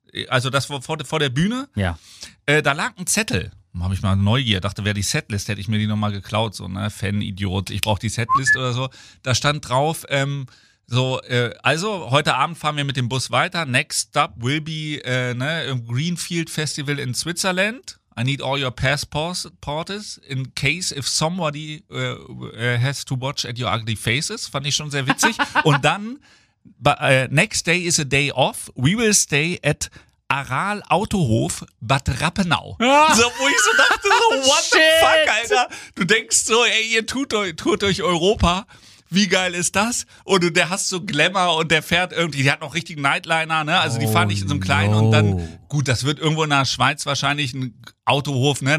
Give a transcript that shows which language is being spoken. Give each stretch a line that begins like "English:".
German: Also das vor der Bühne. Ja. Da lag ein Zettel. Habe ich mal Neugier. Dachte, wäre die Setlist, hätte ich mir die nochmal geklaut. So, ne, Fan-Idiot, ich brauche die Setlist oder so. Da stand drauf, also heute Abend fahren wir mit dem Bus weiter.
English: Next stop will be im Greenfield Festival in Switzerland. I need all your passports in case if somebody has to watch at your ugly faces.
German: Fand ich schon sehr witzig. Und dann,
English: next day is a day off. We will stay at Aral Autohof Bad Rappenau.
German: So, wo ich so dachte, so,
English: what the fuck,
German: Alter? Du denkst so, ey, ihr tourt euch Europa. wie geil ist das? Und der hast so Glamour und der fährt irgendwie, der hat noch richtigen Nightliner, ne? Also die fahren nicht in so einem kleinen und dann, gut, das wird irgendwo in der Schweiz wahrscheinlich ein Autohof, ne?